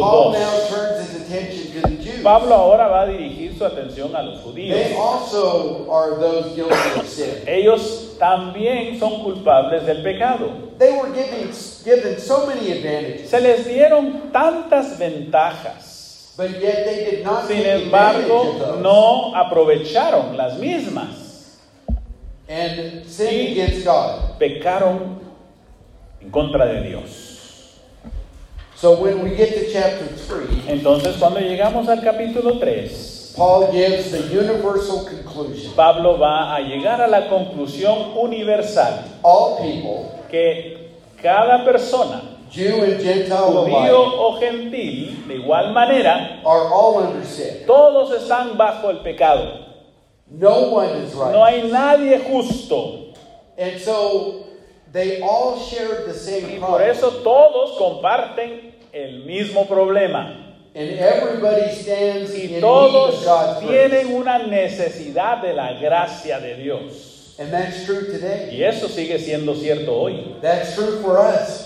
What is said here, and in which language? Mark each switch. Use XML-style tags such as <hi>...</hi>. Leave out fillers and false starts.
<en>Paul now turns his attention to the Jews.</en> <es>Pablo ahora va a dirigir su atención a los judíos.</es> <en>They also are those guilty of sin.</en> <es>Ellos también son culpables del pecado.</es> <en>They were given so many advantages.</en> <es>Se les dieron tantas ventajas.</es> <en>But yet they did not</en> <es>sin embargo, no aprovecharon las mismas.</es> <en>And sinned against God.</en> <es>Pecaron en contra de Dios.</es> <en>So when we get to chapter 3,</en> <es>entonces cuando llegamos al capítulo 3,</es> <en>Paul gives the universal conclusion.</en> <es>Pablo va a llegar a la conclusión universal.</es> <en>All people,</en> <es>que cada persona,</es> <en>Jew and Gentile,</en> <es>judío o gentil, de igual manera,</es> <en>are all under sin.</en> <es>Todos están bajo el pecado.</es> <en>No one is right.</en> <es>No hay nadie justo.</es> <en>And so they all share the same problem.</en> <es>Y por eso todos comparten el mismo problema.</es> <en>And everybody stands</en> <es>y todos</es> <en>in need of God's</en> <es>tienen</es> <en>grace.</en> <es>Una necesidad de la gracia de Dios.</es> <en>And that's true today.</en> <es>Y eso sigue siendo cierto hoy.</es> <en>That's true for us.</en>